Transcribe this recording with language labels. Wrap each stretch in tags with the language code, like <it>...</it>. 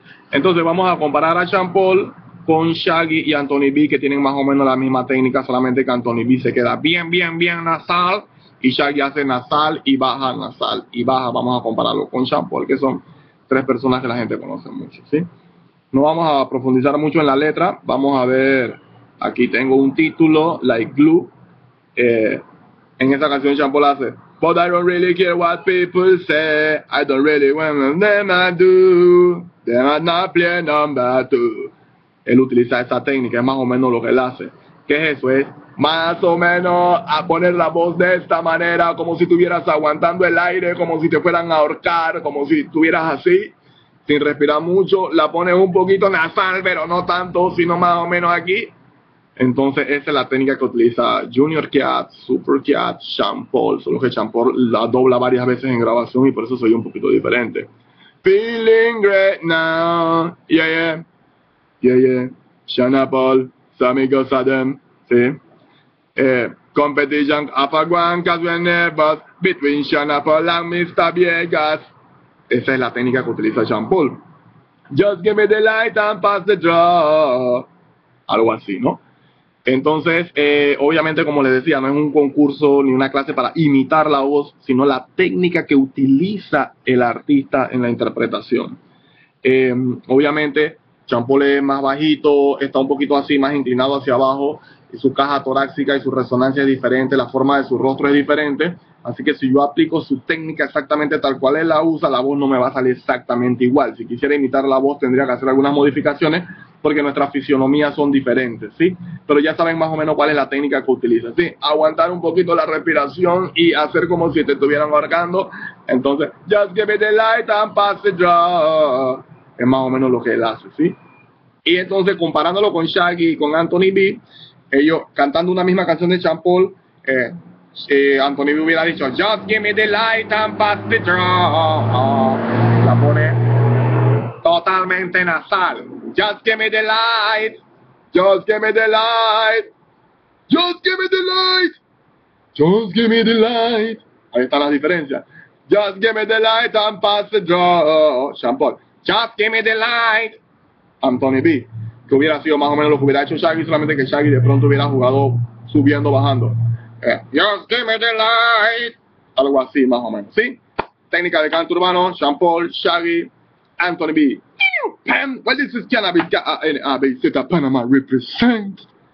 <es>Entonces vamos a comparar a Sean Paul con Shaggy y Anthony B, que tienen más o menos la misma técnica, solamente que Anthony B se queda bien, bien, bien nasal y Shaggy hace nasal y baja. Vamos a compararlo con Sean Paul, que son tres personas que la gente conoce mucho, ¿sí? No vamos a profundizar mucho en la letra. Vamos a ver, aquí tengo un título, Like Glue. En esa canción Sean Paul hace</es> <en>But I don't really care what people say, I don't really want them to do, they are not playing number two.</en> <es>Él utiliza esa técnica, es más o menos lo que él hace. ¿Qué es eso? Es más o menos a poner la voz de esta manera, como si estuvieras aguantando el aire, como si te fueran a ahorcar, como si estuvieras así, sin respirar mucho. La pones un poquito nasal, pero no tanto, sino más o menos aquí. Entonces esa es la técnica que utiliza Junior Kiat, Super Kiat, Sean Paul. Solo que Sean Paul la dobla varias veces en grabación y por eso soy un poquito diferente.</es> <en>Feeling great now, yeah, yeah. Yeah, yeah, Sean Paul, Sammy goes at them, ¿sí? Competition of a one, cause we're nervous, between Sean Paul and Mr. Viegas.</en> <es>Esa es la técnica que utiliza Sean Paul.</es> <en>Just give me the light and pass the draw.</en> <es>Algo así, ¿no? Entonces, obviamente, como les decía, no es un concurso ni una clase para imitar la voz, sino la técnica que utiliza el artista en la interpretación. Obviamente, Sean Paul es más bajito, está un poquito así, más inclinado hacia abajo, y su caja torácica y su resonancia es diferente, la forma de su rostro es diferente, así que si yo aplico su técnica exactamente tal cual él la usa, la voz no me va a salir exactamente igual. Si quisiera imitar la voz, tendría que hacer algunas modificaciones, porque nuestras fisionomías son diferentes, ¿sí? Pero ya saben más o menos cuál es la técnica que utiliza, ¿sí? Aguantar un poquito la respiración y hacer como si te estuvieran ahorcando.</es> <en>Entonces, just give me the light and pass the draw.</en> <es>Es más o menos lo que él hace, ¿sí? Y entonces, comparándolo con Shaggy y con Anthony B, ellos cantando una misma canción de Sean Paul, Anthony B hubiera dicho,</es> <en>Just give me the light and pass the draw.</en> <es>La pone totalmente nasal.</es> <en>Just give me the light. Just give me the light. Just give me the light. Just give me the light.</en> <es>Ahí están las diferencias.</es> <en>Just give me the light and pass the draw. Sean Paul. Just give me the light,</en> <es>Anthony B, que hubiera sido más o menos lo que hubiera hecho Shaggy, solamente que Shaggy de pronto hubiera jugado subiendo, bajando.</es> <en>Just give me the light,</en> <es>algo así más o menos, ¿sí? Técnica de canto urbano, Sean Paul, Shaggy,</es> <en>Anthony B. Pam, well, this is Cannabis K-A-N-A-B-Z, Panama represents.</en>